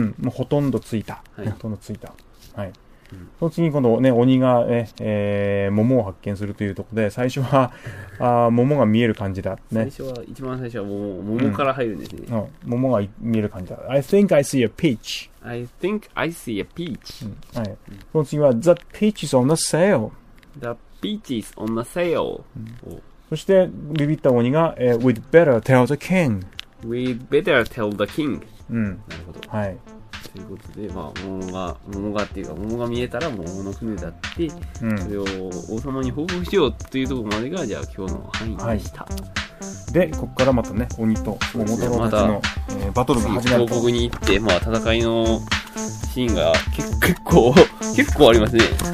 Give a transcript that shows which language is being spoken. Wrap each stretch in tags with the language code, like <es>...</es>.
<ja>ね、うん、もうほとんど着いた、はい、ほとんど着いた、はい、その次、今度ね、鬼が、桃を発見するというところで、最初は、あ、桃が見える感じだ、ね。最初は、一番最初は桃から入るんですね。うん、桃が見える感じだ。</ja> <en>I think I see a peach. I think I see a peach.、うん、はい、</en> <ja>その次は、</ja> <en>The peach is on the sail. The peach is on the sail.、</en> <ja>うん、そしてビビった鬼が、</ja> <en>We'd better tell the king. We'd better tell the king.</en> <ja>うん。なるほど。はい。ということで、まあ、桃がっていうか、桃が見えたら桃の船だって、うん、それを王様に報告しようっていうところまでが、じゃあ今日の範囲でした。はい、で、ここからまたね、鬼と桃太郎たちの、ね、バトルが始まると。報告に行って、まあ、戦いのシーンが結構ありますね。</ja>